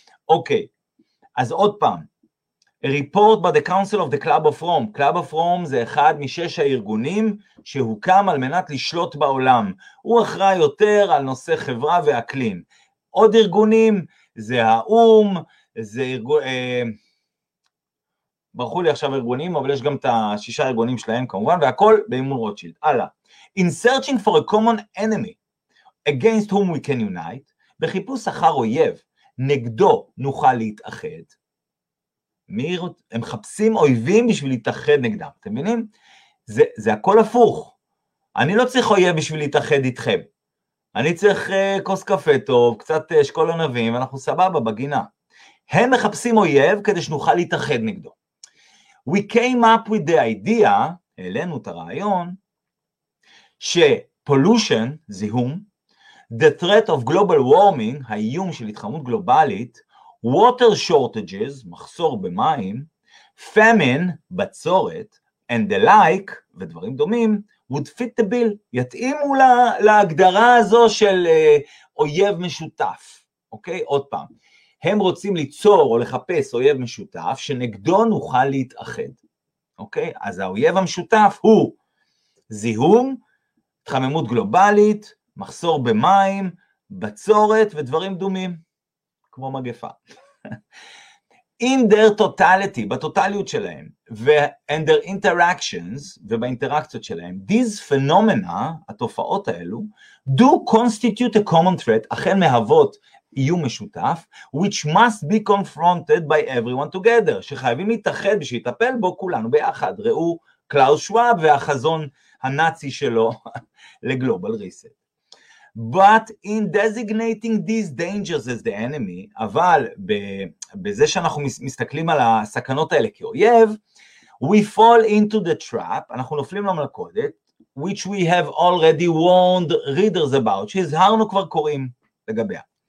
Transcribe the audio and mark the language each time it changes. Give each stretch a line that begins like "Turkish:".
Hebrew: אוקיי, אז עוד פעם,
English: a report by the Council of the Club of Rome,
Hebrew: Club of Rome זה אחד משש הארגונים שהוקם על מנת לשלוט בעולם, הוא אחראי יותר על נושא חברה ואקלים. עוד ארגונים, זה האום, זה ברחו לי עכשיו ארגונים, אבל יש גם את השישה ארגונים שלהם כמובן, והכל באימון רוטשילד. הלאה.
English: In searching for a common enemy, against whom we can unite,
Hebrew: בחיפוש אחר אויב, נגדו נוכל להתאחד. הם חפשים אויבים בשביל להתאחד נגדם, אתם מבינים? זה הכל הפוך. אני לא צריך אויב בשביל להתאחד איתכם. אני צריך כוס קפה טוב, קצת שקול ענבים, אנחנו סבבה בגינה. הם מחפשים אויב כדי שנוכל להתאחד נגדו.
English: We came up with the idea,
Hebrew: העלינו את הרעיון, שפולושן, זיהום,
English: the threat of global warming,
Hebrew: האיום של התחממות גלובלית,
English: water shortages,
Hebrew: מחסור במים,
English: famine,
Hebrew: בצורת,
English: and the like,
Hebrew: ודברים דומים,
English: would fit the bill,
Hebrew: יתאימו להגדרה הזו של אויב משותף, אוקיי? עוד פעם, הם רוצים ליצור או לחפש אויב משותף, שנגדו נוכל להתאחד, אוקיי? אז האויב המשותף הוא זיהום, התחממות גלובלית, מחסור במים, בצורת ודברים דומים, כמו מגפה.
English: in their totality,
Hebrew: בטוטליות שלהם,
English: and their interactions,
Hebrew: ובאינטראקציות שלהם,
English: these phenomena,
Hebrew: התופעות האלו,
English: do constitute a common threat,
Hebrew: אכן מהוות איום משותף,
English: which must be confronted by everyone together,
Hebrew: שחייבים להתאחד בשביל להתאפל בו כולנו ביחד. ראו קלאוס שוואב והחזון הנאצי שלו לגלובל ריסט.
English: But in designating these dangers as the enemy,
Hebrew: אבל בזה שאנחנו מסתכלים על הסכנות האלה כאויב,
English: we fall into the trap,
Hebrew: אנחנו נופלים למלכודת,
English: which we have already warned readers about,
Hebrew: שהזהרנו כבר קוראים לגביה.